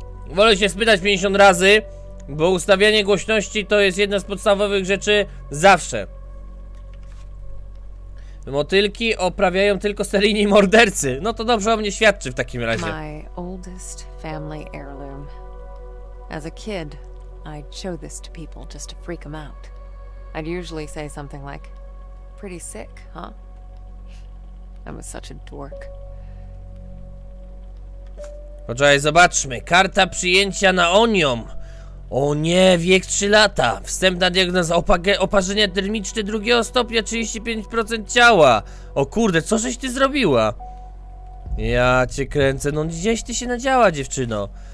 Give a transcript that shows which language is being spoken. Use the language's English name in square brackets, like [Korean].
[Polish] Wolę się spytać 50 razy, bo ustawianie głośności to jest jedna z podstawowych rzeczy zawsze. Motylki oprawiają tylko seryjni mordercy. No to dobrze o mnie świadczy w takim razie. [English] My oldest family heirloom. As a kid, I'd show this to people just to freak them out. I'd usually say something like, pretty sick, huh? I was such a dork. [Polish] Poczekaj, zobaczmy. Karta przyjęcia na Onium. O nie, wiek 3 lata. Wstępna diagnoza oparzenia termiczne drugiego stopnia, 35% ciała. O kurde, co żeś ty zrobiła? Ja cię kręcę, no gdzieś ty się nadziała, dziewczyno.